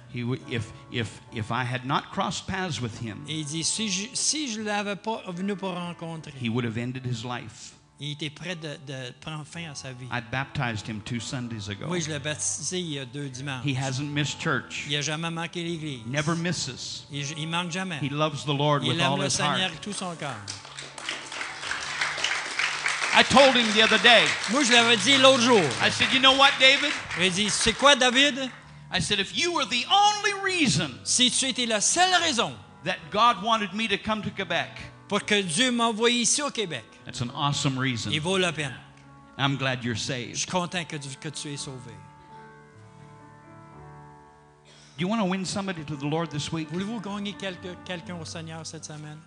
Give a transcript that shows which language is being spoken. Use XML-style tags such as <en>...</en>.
<en>He, if I had not crossed paths with him,</en> <fr>il dit si je l'avais pas venu pour rencontrer,</fr> <en>he would have ended his life.</en> <fr>Il était prêt de prendre fin à sa vie.</fr> <en>I baptized him 2 Sundays ago.</en> <fr>Oui, je l'ai baptisé il y a 2 dimanches.</fr> <en>He hasn't missed church.</en> <fr>Il a jamais manqué l'église.</fr> <en>Never misses.</en> <fr>Il manque jamais.</fr> <en>He loves the Lord</en> <fr>il</fr> <en>with all his heart.</en> <fr>Il aime le Seigneur tout son cœur.</fr> <en>I told him the other day.</en> <fr>Moi, je l'avais dit l'autre jour.</fr> <en>I said, you know what, David?</en> <fr>J'ai dit, c'est quoi, David?</fr> <en>I said, if you were the only reason.</en> <fr>Si tu étais la seule raison.</fr> <en>That God wanted me to come to Quebec.</en> <fr>Pour que Dieu m'envoie ici au Québec.</fr> <en>That's an awesome reason.</en> <fr>Il vaut la peine.</fr> <en>I'm glad you're saved.</en> <fr>Je suis content que tu es sauvé.</fr> <en>Do you want to win somebody to the Lord this week?</en> <fr>Voulez-vous gagner quelqu'un au Seigneur cette semaine?</fr>